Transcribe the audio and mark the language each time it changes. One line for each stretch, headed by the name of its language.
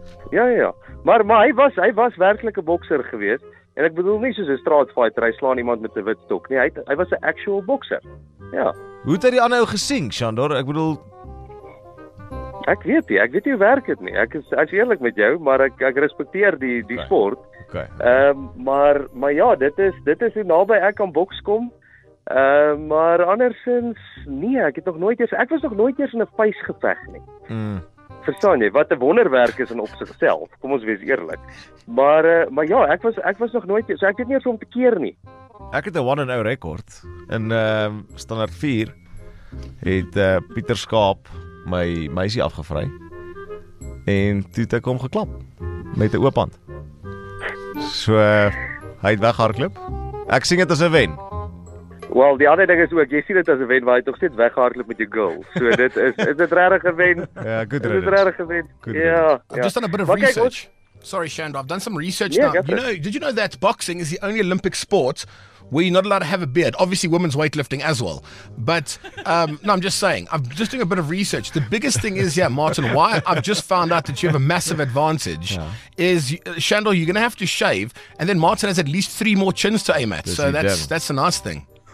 Afrikaans: Ja. Maar hy was werklik 'n bokser gewees. En ek bedoel nie soos 'n straatfighter, hy slaan iemand met 'n wit stok nie. Hy was 'n actual bokser. Ja. Hoe het hy die ander ou gesien, Shandor? Ek bedoel, Ek weet nie hoe werk dit nie. Ek is eerlik met jou, maar ek respekteer die sport. Okay. Maar ja, dit is hoe naby ek aan boks kom. Maar andersins nie, ek was nog nooit eens in 'n vuis geveg nie. Verstaan jy, wat 'n wonderwerk is in op sigself, kom ons wees eerlik. Maar ja, ek was nog nooit, so ek het nie eens om te keer nie. Ek het 'n 1-0 rekord, in standaard 4 het Pieter Skaap my meisie afgevry, en toe het ek hom geklap, met 'n oop hand. So, hy het weghardloop, ek sien dit as 'n wen. Wel, die ander ding is ook, jy sien dit as 'n wen, waar jy tog steeds weghardloop met jou girl. So dit is dit regtig 'n wen. Ja, goed reg. Dit is regtig 'n wen. Ja.
English: I've just done a bit of research. Sorry, Shandor, I've done some research now. Did you know that boxing is the only Olympic sport where you're not allowed to have a beard? Obviously, women's weightlifting as well. But, no, I'm just saying, I'm just doing a bit of research. The biggest thing is, Martin, why I've just found out that you have a massive advantage is, Shandor, you're going to have to shave, and then Martin has at least 3 more chins to aim at. So that's a nice thing.